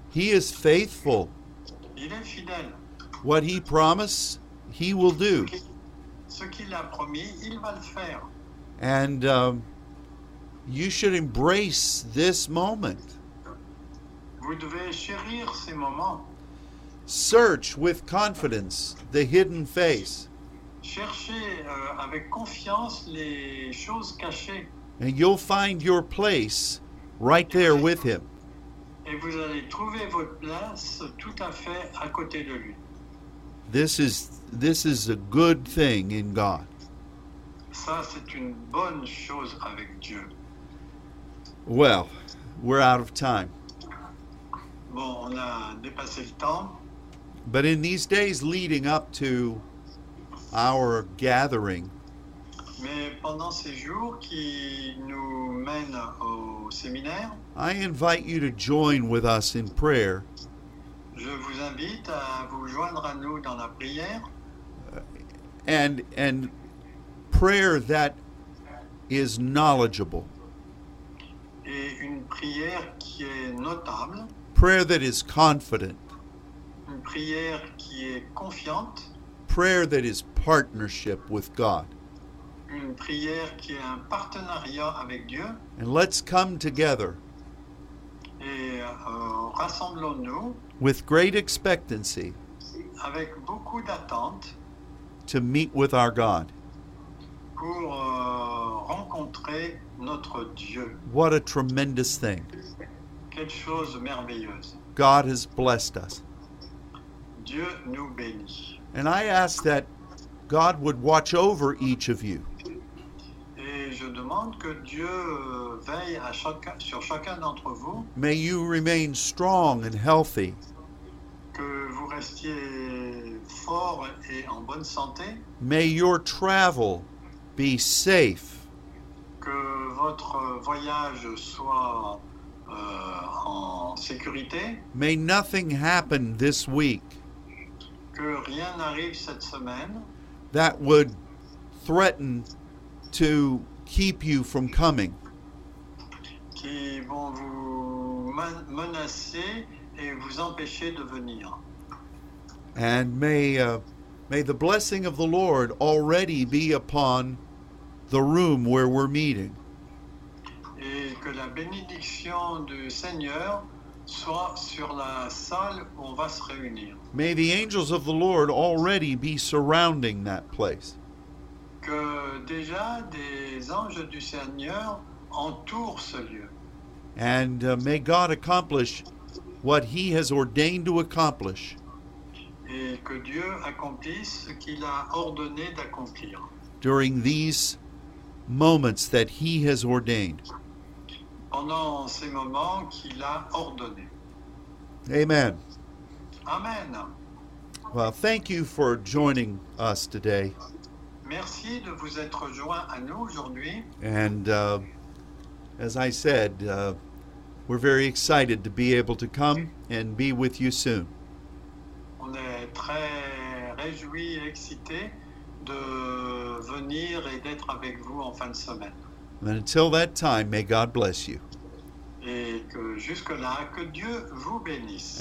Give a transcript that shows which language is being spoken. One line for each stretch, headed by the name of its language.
English: He is faithful.
French: Il est fidèle.
English: What he promised, he will do.
French: Ce qu'il a promis, il va le faire.
English: And you should embrace this moment.
French: Vous devez chérir ces moments.
English: Search with confidence the hidden face.
French: Cherchez avec confiance les choses cachées.
English: And you'll find your place right there with him.
French: Et vous allez trouver votre place tout à fait à côté de lui.
English: This is a good thing in God.
French: Ça, c'est une bonne chose avec Dieu.
English: Well, we're out of time.
French: Bon, on a dépassé le temps.
English: But in these days leading up to our gathering,
French: mais pendant ces jours qui nous mènent au séminaire,
English: I invite you to join with us in prayer.
French: Je vous invite à vous joindre à nous dans la prière.
English: And prayer that is knowledgeable.
French: une prière qui est notable.
English: Prayer that is confident.
French: Une prière qui est confiante.
English: Prayer that is partnership with God.
French: Une prière qui est un partenariat avec Dieu.
English: And let's come together.
French: Et rassemblons-nous.
English: With great expectancy.
French: Avec beaucoup d'attente.
English: To meet with our God.
French: Pour rencontrer notre Dieu.
English: What a tremendous thing.
French: Quelle chose merveilleuse.
English: God has blessed us.
French: Dieu nous bénit.
English: And I ask that God would watch over each of you.
French: Et je demande que Dieu veille à chacun, sur chacun d'entre vous.
English: May you remain strong and healthy.
French: Que vous restiez fort et en bonne santé.
English: May your travel be safe.
French: Que votre voyage soit en sécurité.
English: May nothing happen this week.
French: Que rien n'arrive cette semaine.
English: That would threaten to keep you from coming.
French: Qui vont vous menacer et vous empêcher de venir.
English: And may the blessing of the Lord already be upon the room where we're meeting.
French: Et que la bénédiction du Seigneur soit sur la salle où on va se réunir.
English: May the angels of the Lord already be surrounding that place.
French: Que déjà des anges du Seigneur entourent ce lieu.
English: And may God accomplish what he has ordained to accomplish.
French: Et que Dieu accomplisse ce qu'il a ordonné d'accomplir.
English: During these moments that he has ordained.
French: Pendant ces moments qu'il a ordonné. Amen. Amen.
English: Well, thank you for joining us today.
French: Merci de vous être joint à nous aujourd'hui.
English: And as I said, we're very excited to be able to come and be with you soon.
French: On est très réjouis et excités de venir et d'être avec vous en fin de semaine.
English: And until that time, may God bless you.
French: Et que jusque-là, que Dieu vous bénisse.